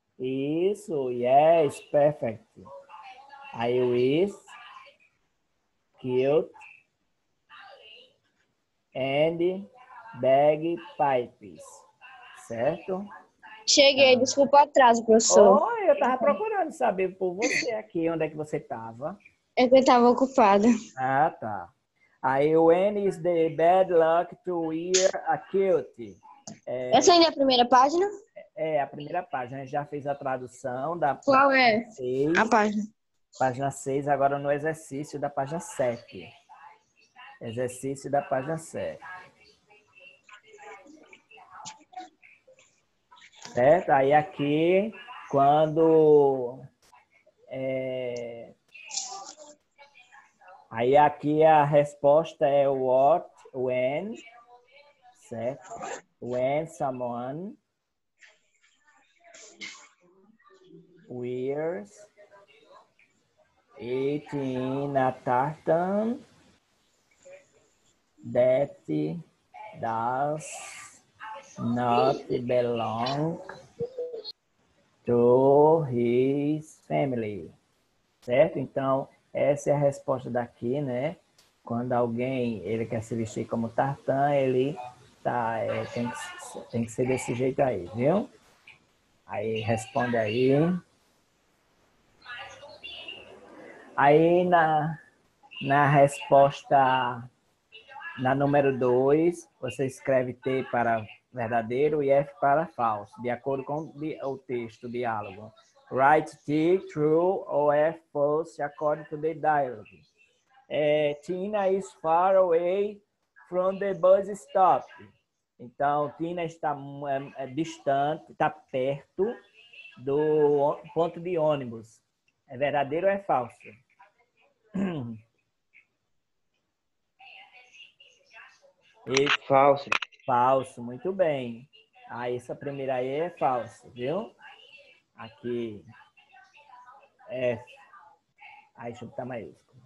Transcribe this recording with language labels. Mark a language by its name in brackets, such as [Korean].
[English] Isso, yes, perfect. Aí o is, kilt, and bag pipes, certo? [Portuguese] Cheguei, desculpa o atraso, professor. Oi, eu tava procurando saber por você aqui, onde é que você tava. É que eu tava ocupada. Ah, tá. [English] Aí, when is the bad luck to wear a kilt? [Portuguese] É, essa ainda é a primeira página? É, a primeira página. A gente já fez a tradução da qual é? 6, a página. Página 6, agora no exercício da página 7. Exercício da página 7. Certo? Aí aqui, quando... É, aí aqui a resposta é [English] what, when, [Portuguese] certo? [English] When someone wears it in a tartan that does not belong to his family, certo? [Portuguese] Então, essa é a resposta daqui, né? Quando alguém ele quer se vestir como tartan, ele tá, tem que ser desse jeito aí, viu? Aí responde aí. Aí na resposta, na número 2, você escreve T para verdadeiro e F para falso, de acordo com o texto, o diálogo. [English] Write T, true, or F, false, according to the dialogue. É, Tina is far away from the bus stop. [Portuguese] Então, Tina está distante, está perto do ponto de ônibus. É verdadeiro ou é falso? Falso. Falso, muito bem. Ah, essa primeira aí é falso, viu? Aqui. F. Aí, deixa eu botar maiúsculo.